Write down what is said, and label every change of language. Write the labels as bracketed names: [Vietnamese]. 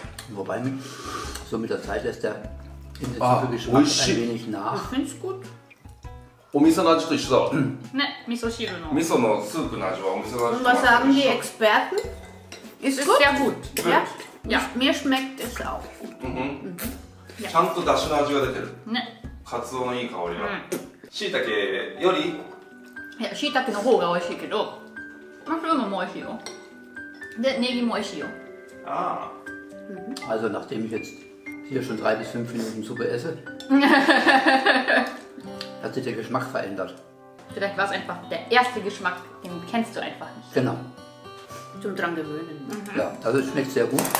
[German] Wobei, so mit der Zeit lässt der Geschmack ein wenig nach. Ich finde es gut. [Japanese] お味噌の味と一緒だわ。ね、味噌汁の。味噌のスープの味はお味噌の味と一緒。 [German] Was sagen die Experten? Ist gut? Sehr gut. Ja? Ja. Mir schmeckt es auch. [Japanese] ちゃんと出汁の味が出てる。ね。カツオのいい香りが。しいたけより？いや、しいたけの方が美味しいけど、マッシュルームも美味しいよ。で、ネギも美味しいよ。ああ。 [German] Also, nachdem ich jetzt hier schon 3 bis 5 Minuten Suppe esse, hat sich der Geschmack verändert. Vielleicht war es einfach der erste Geschmack, den kennst du einfach nicht. Genau. Zum dran gewöhnen. Mhm. Ja, das schmeckt sehr gut.